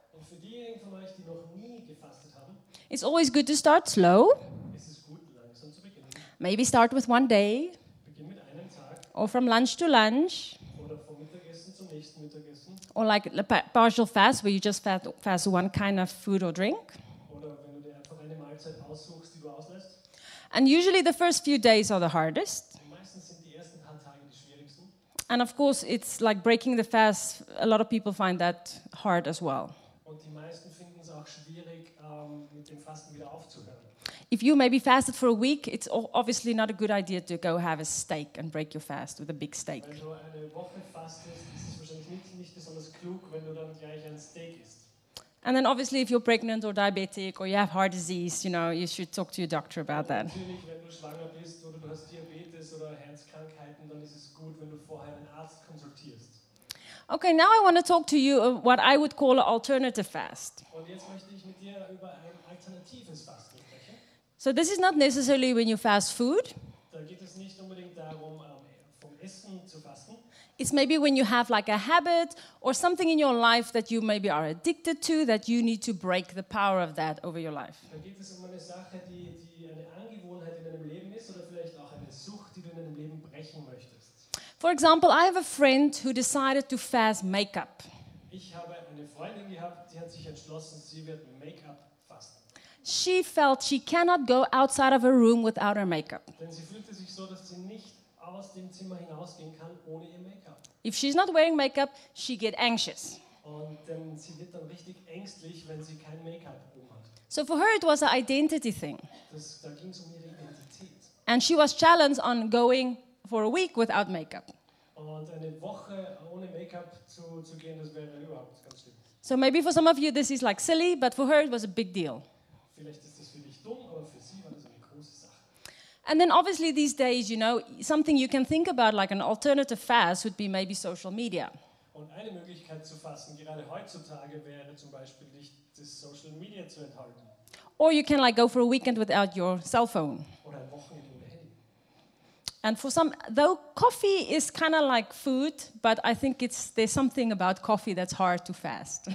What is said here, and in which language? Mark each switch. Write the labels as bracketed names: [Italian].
[German] für die noch nie haben, [English] it's always good to start slow. [German] Es ist gut, [English] Maybe start with one day. [German] Beginn mit einem Tag. [English] Or from lunch to lunch. [German] Oder vom Mittagessen zum nächsten Mittagessen. [English] Or like a partial fast, where you just fast one kind of food or drink. [German] Oder wenn du dir einfach eine Mahlzeit aussuchst, die du auslässt. [English] And usually the first few days are the hardest. [German] Meistens sind die ersten paar Tage die schwierigsten. [English] And of course, it's like breaking the fast. A lot of people find that hard as well. [German] Und die meisten finden es auch schwierig, mit dem Fasten wieder aufzuhören. [English] If you maybe fasted for a week, it's obviously not a good idea to go have a steak and break your fast with a big steak. [German] Wenn du eine Woche fastest, ist es wahrscheinlich nicht besonders klug, wenn du dann gleich ein Steak isst. [English] And then obviously if you're pregnant or diabetic or you have heart disease, you know, you should talk to your doctor about that. [German] Natürlich, wenn du schwanger bist oder du hast Diabetes oder Herzkrankheiten, dann ist es gut, wenn du vorher einen Arzt konsultierst. [English] Okay, now I want to talk to you of what I would call an alternative fast. [German] Und jetzt möchte ich mit dir über ein alternatives Fasten sprechen. [English] So this is not necessarily when you fast food. [German] Da geht es nicht unbedingt darum, vom Essen zu fasten. [English] It's maybe when you have like a habit or something in your life that you maybe are addicted to that you need to break the power of that over your life. [German] Da geht es eine Sache, die eine Angewohnheit in deinem Leben ist oder vielleicht auch eine Sucht, die du in deinem Leben brechen möchtest. [English] For example, I have a friend who decided to fast makeup. [German] Ich habe eine Freundin gehabt, die hat sich entschlossen, sie wird Make-up. [English] She felt she cannot go outside of her room without her makeup. [German] Denn sie fühlte sich so, dass sie nicht aus dem Zimmer hinausgehen kann ohne ihr Make-up. [English] If she's not wearing makeup, she gets anxious. [German] Und denn sie wird dann richtig ängstlich, wenn sie kein Make-up um hat. [English] So for her it was an identity thing. [German] Da ging's um ihre Identität. [English] And she was challenged on going for a week without makeup. [German] Und eine Woche ohne Make-up zu gehen, das wäre überhaupt ganz schlimm. [English] So maybe for some of you this is like silly, but for her it was a big deal. [German] Vielleicht ist das für dich dumm, aber für sie war das eine große Sache. [English] And then obviously these days, you know, something you can think about like an alternative fast would be maybe social media. [German] Und eine Möglichkeit zu fasten, gerade heutzutage, wäre zum Beispiel nicht das Social Media zu enthalten. [English] Or you can like go for a weekend without your cell phone. [German] Oder ein Wochenende ohne Handy. [English] And for some, though coffee is kind of like food, but I think there's something about coffee that's hard to fast.